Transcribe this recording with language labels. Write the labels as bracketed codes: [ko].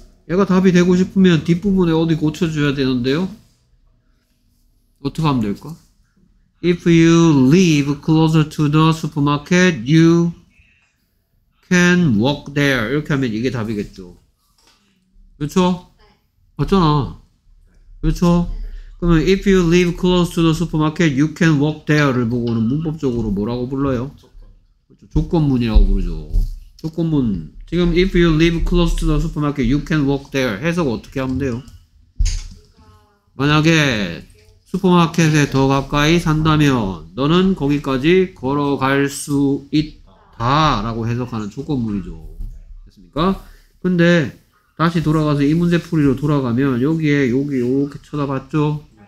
[ko] 얘가 답이 되고 싶으면 뒷부분에 어디 고쳐줘야 되는데요. 어떻게 하면 될까? [en] If you live closer to the supermarket, you can walk there. [ko] 이렇게 하면 이게 답이겠죠. 그렇죠? 네. 맞잖아. 그렇죠? 네. 그러면 [en] If you live close to the supermarket, you can walk there를 [ko] 보고는 문법적으로 뭐라고 불러요? 조건. 조건문이라고 부르죠. 조건문. 지금 [en] If you live close to the supermarket, you can walk there. [ko] 해석 어떻게 하면 돼요? 만약에 슈퍼마켓에 더 가까이 산다면 너는 거기까지 걸어갈 수 있다 라고 해석하는 조건문이죠. 됐습니까? 근데 다시 돌아가서 이 문제풀이로 돌아가면 여기에 여기 이렇게 쳐다봤죠?